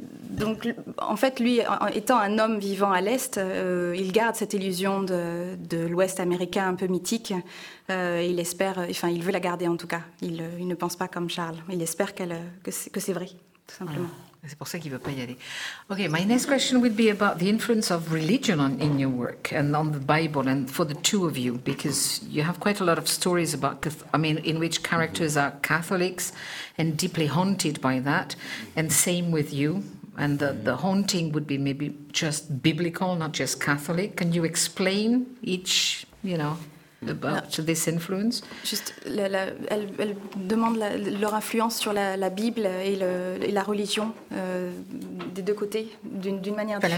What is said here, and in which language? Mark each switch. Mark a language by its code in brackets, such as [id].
[fr] Donc, en fait, lui, étant un homme vivant à l'Est, il garde cette illusion de l'Ouest américain un peu mythique. Il espère, enfin, il veut la garder en tout cas. Il ne pense pas comme Charles. Il espère que c'est vrai, tout simplement. Voilà. C'est pour ça qu'il ne veut pas y aller. [en] Okay, my next question would be about the influence of religion in your work and on the Bible and for the two of you, because you have quite a lot of stories about, in which characters are Catholics and deeply haunted by that, and same with you, and the haunting would be maybe just biblical, not just Catholic. Can you explain each, about this influence? [fr] Juste, elle demande leur influence sur la Bible et la religion des deux côtés, d'une manière différente.